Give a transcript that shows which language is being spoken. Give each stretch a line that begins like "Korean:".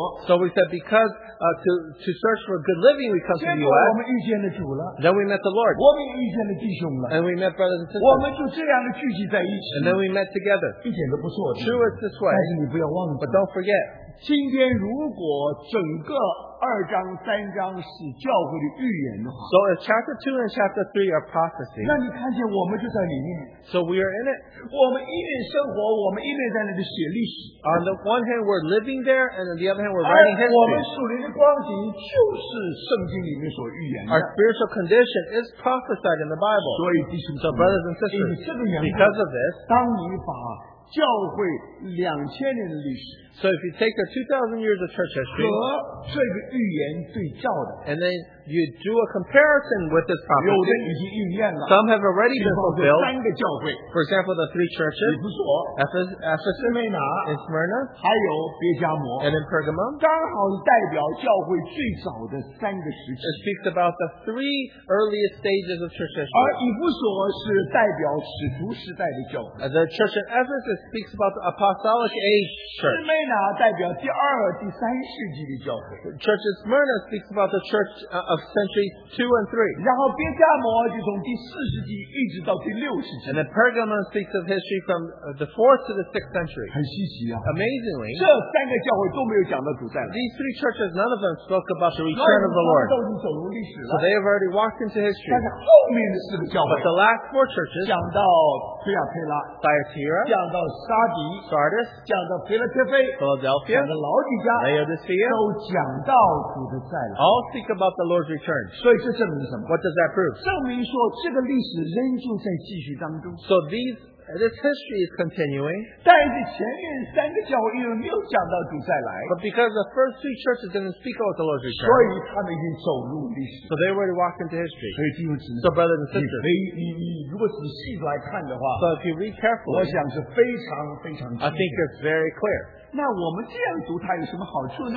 English: so we said because to search for good living we come to the U.S. Then we met the Lord. And we met brothers and sisters. And then we met together. True, it's this way. But don't forget.
Chinese: 今天如果整个二章三章是教会的预言的话
English: So if chapter 2 and chapter 3 are prophecy
Chinese: 那你看见我们就在里面
English: So we are in it
Chinese: 我们一面生活我们一面在那里写历史
English: On the one hand we're living there and on the other hand we're writing history
Chinese: 我们属灵的光景就是圣经里面所预言的
English: Our spiritual condition is prophesied in the Bible
Chinese: 所以弟兄
English: So brothers and sisters because of this
Chinese: 当你把教会两千年的历史
English: So if you take the 2,000 years of church history
Chinese: 和这个预言对照的
English: And then you do a comparison with this prophecy
Chinese: 有的已经预言了
English: Some have already been fulfilled
Chinese: 三个教会
English: For example, the three churches
Chinese: 以弗所
English: Ephesus
Chinese: 斯梅拿
English: In Smyrna
Chinese: 还有别加摩
English: And in Pergamum
Chinese: 刚好代表教会最早的三个时期
English: It speaks about the three earliest stages of church history
Chinese: 而以弗所是代表使徒时代的教会
English: The church in Ephesus speaks about the apostolic age church.
Chinese: 斯梅拿代表第二、第三世纪的教会。
English: Church of Smyrna speaks about the church of centuries 2 and 3.
Chinese: 然后别加摩就从第四世纪一直到第六世纪。
English: And the Pergamum speaks of history from the 4th to the 6th century.
Chinese: 很稀奇啊。
English: Amazingly,
Chinese: 这三个教会都没有讲到主再来。
English: These three churches, none of them spoke about the return of the Lord.
Chinese: 都已经走入历史了。
English: So they have already walked into history.
Chinese: 但是后面的四个教会。
English: But the last four churches,
Chinese: 讲到推亚推拉。
English: Thyatira,
Chinese: 讲到沙迪
English: Sardis
Chinese: 讲到 Philadelphia
English: Philadelphia
Chinese: 讲到老底家
English: Laodicea
Chinese: 都讲到主的再来
English: All speak about the Lord's return
Chinese: 所以这证明什么
English: What does that prove
Chinese: 证明说这个历史仍旧在继续当中
English: So this history is continuing
Chinese: 但是前面三个教会又没有讲到主再来
English: But because the first three churches didn't speak about the Lord's return
Chinese: 所以他们已经走入历史
English: So they already walked into history
Chinese: 所以弟兄姊妹
English: So brothers and sisters
Chinese: 你如果仔细来看的话
English: So if you read carefully
Chinese: 我想是非常非常
English: I think it's very clear
Chinese: 那我们这样读它有什么好处呢